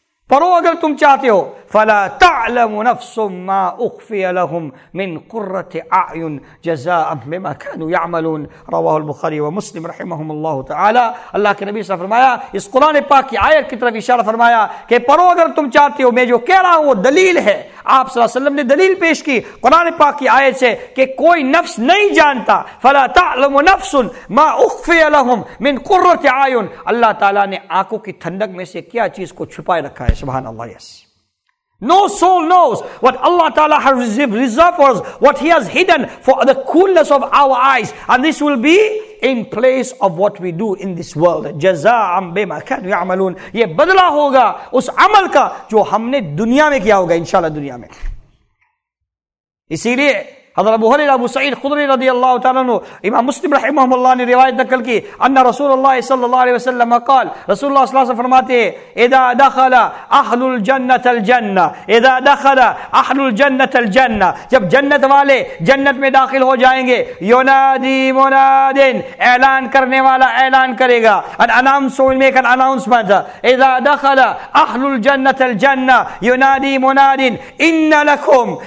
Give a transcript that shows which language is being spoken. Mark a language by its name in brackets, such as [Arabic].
[Urdu] پڑھو اگر تم چاہتے ہو [Arabic] فلا تعلم نفس ما اخفی لهم من قرۃ اعین جزاء بما كانوا يعملون [Urdu] رواه البخاری و مسلم رحمهم اللہ تعالی اللہ کے نبی صلی اللہ علیہ وسلم فرمایا اس قرآن پاک کی آیت کی طرف اشارہ فرمایا کہ پڑھو اگر تم چاہتے ہو میں جو کہہ رہا ہوں وہ دلیل ہے آپ صلی اللہ علیہ وسلم نے دلیل پیش کی قرآن پاک کی آیت سے کہ کوئی نفس نہیں جانتا [Arabic] فلا تعلم نفس ما اخفی لهم من قرۃ اعین [Urdu] اللہ تعالی نے آنکھوں کی ٹھنڈک میں سے کیا چیز کو چھپائے رکھا ہے سبحان اللہ یس [English] No soul knows what Allah Ta'ala has reserved for us, what He has hidden for the coolness of our eyes. And this will be in place of what we do in this world. [Arabic] جَزَاءً بِمَا كَانُوا يَعْمَلُونَ [Urdu] یہ بدلہ ہوگا اس عمل کا جو ہم نے دنیا میں کیا ہوگا انشاءاللہ دنیا میں. इसीलिए حضرت ابو هريره ابو سعيد الخدري رضي الله تعالى عنه امام مسلم رحمه الله نے روایت نقل کی [Arabic] ان رسول الله صلى الله عليه وسلم قال رسول الله صلى الله عليه وسلم [Urdu] فرماتے ہیں [Arabic] اذا دخل اهل الجنه الجنه [Urdu] اذا دخل اهل الجنه الجنه جب جنت والے جنت میں داخل ہو جائیں گے [Arabic] ينادي مناد [Urdu] اعلان کرنے والا اعلان کرے گا ان اناؤنسمنٹ میں ایک اناؤنسمنٹ [Arabic] اذا دخل اهل الجنه الجنه ينادي مناد ان لكم